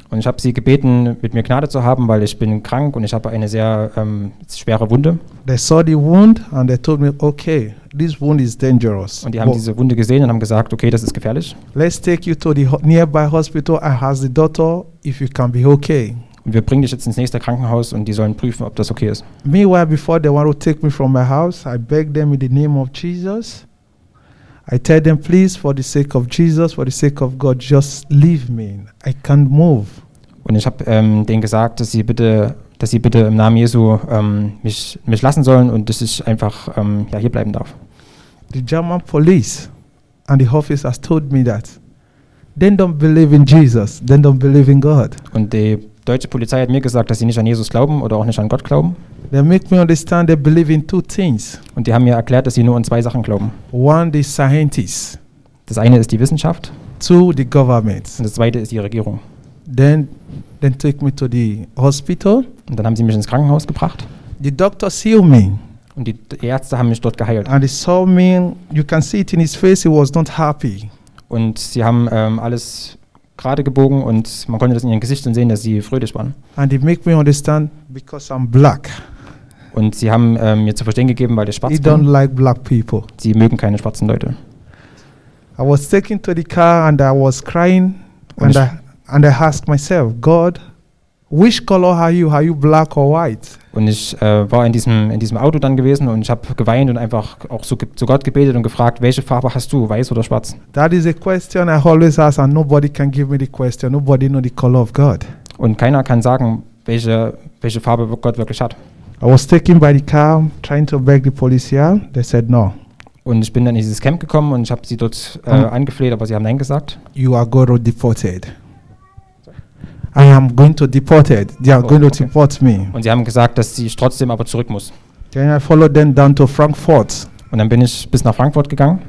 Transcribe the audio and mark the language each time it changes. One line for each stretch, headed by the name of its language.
German: Und ich habe sie gebeten, mit mir Gnade zu haben, weil ich bin krank und ich habe eine sehr schwere Wunde.
English: They saw the wound and they told me, okay, this wound is dangerous.
German: Und die haben diese Wunde gesehen und haben gesagt, okay, das ist gefährlich.
English: Let's take you to the nearby hospital and ask the doctor if you can be okay.
German: Und wir bringen dich jetzt ins nächste Krankenhaus und die sollen prüfen, ob das okay ist.
English: Meanwhile, before they want to take me from my house, I beg them in the name of Jesus. I tell them, please, for the sake of Jesus, for the sake of God, just leave me. I can't move.
German: Und ich habe denen gesagt, dass sie bitte im Namen Jesu mich lassen sollen und dass ich einfach hier bleiben darf.
English: The German police and the office has told me that they don't believe in Jesus. They don't believe in God.
German: Und die deutsche Polizei hat mir gesagt, dass sie nicht an Jesus glauben oder auch nicht an Gott glauben.
English: They make me understand they believe in two things.
German: Und die haben mir erklärt, dass sie nur an zwei Sachen glauben.
English: One, the scientists.
German: Das eine ist die Wissenschaft.
English: Two, the government.
German: Und das zweite ist die Regierung.
English: Then take me to the hospital.
German: Und dann haben sie mich ins Krankenhaus gebracht.
English: The doctors healed me.
German: Und die Ärzte haben mich dort geheilt.
English: And they saw me, you can see it in his face, he was not happy.
German: Und sie haben alles gerade gebogen und man konnte das in ihren Gesichtern sehen, dass sie fröhlich waren.
English: And they make me understand because I'm black.
German: Und sie haben mir zu verstehen gegeben, weil ich schwarz bin.
English: They don't like black people.
German: Sie mögen keine schwarzen Leute.
English: I was taken to the car and I was crying and I asked myself, God, which color are you? Are you black or white?
German: Und ich war in diesem Auto dann gewesen und ich habe geweint und einfach auch zu Gott gebetet und gefragt, welche Farbe hast du, weiß oder schwarz?
English: That is a question I always ask and nobody can give me the question. Nobody knows the color of God.
German: Und keiner kann sagen, welche Farbe Gott wirklich hat.
English: I was taken by the car, trying to beg the police here. They said no.
German: Und ich bin dann in dieses Camp gekommen und ich habe sie dort angefleht, aber sie haben nein gesagt.
English: You are going to deported. I am going to deport it. They are going to deport me.
German: Und sie haben gesagt, dass ich trotzdem aber zurück muss.
English: Then I followed them down to Frankfurt.
German: Und dann bin ich bis nach Frankfurt gegangen.